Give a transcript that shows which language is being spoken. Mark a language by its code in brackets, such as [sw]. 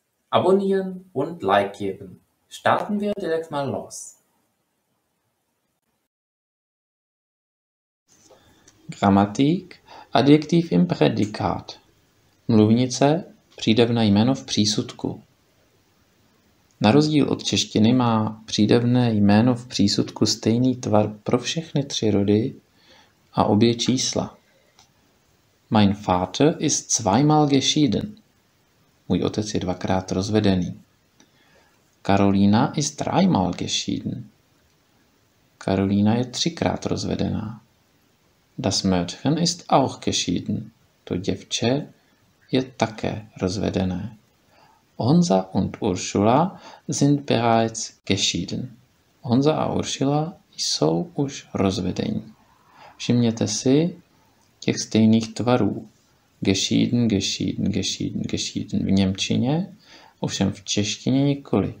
[de] Abonnieren und Like geben. Starten wir direkt mal los. Grammatik, Adjektiv im Prädikat. [cs] Mluvnice, přídavné jméno v přísudku. Na rozdíl od češtiny má přídavné jméno v přísudku stejný tvar pro všechny tři rody a obě čísla. [de] Mein Vater ist zweimal geschieden. [cs] Můj otec je dvakrát rozvedený. [de] Karolina ist dreimal geschieden. [cs] Karolina je třikrát rozvedená. [de] Das Mädchen ist auch geschieden. [cs] To děvče je také rozvedené. [de] Honza und Ursula sind bereits geschieden. [cs] Honza a Ursula jsou už rozvedení. Všimněte si těch stejných tvarů. Geschieden, geschieden, geschieden, geschieden v němčině, ovšem v češtině nikoli.